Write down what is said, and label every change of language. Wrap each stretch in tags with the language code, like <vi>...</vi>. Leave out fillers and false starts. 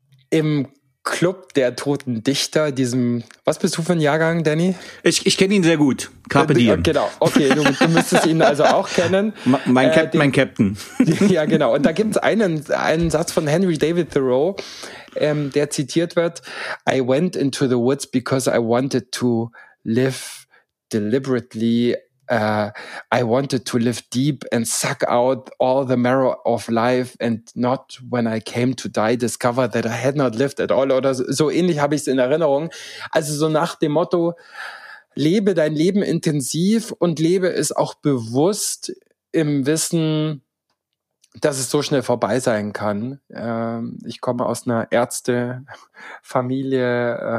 <de>Im Club der toten Dichter, diesem... Was bist du für ein Jahrgang, Danny? Ich kenne ihn sehr gut. Carpe diem. Genau, okay. Du müsstest ihn also auch kennen. Mein Captain. Ja, genau. Und da gibt es einen Satz von Henry David Thoreau, der zitiert wird.</de> <en>I went into the woods because I wanted to live deliberately. I wanted to live deep and suck out all the marrow of life and not when I came to die discover that I had not lived at all.</en> <de>Oder so ähnlich habe ich es in Erinnerung. Also so nach dem Motto, lebe dein Leben intensiv und lebe es auch bewusst im Wissen, dass es so schnell vorbei sein kann. Ich komme aus einer Ärztefamilie.</de>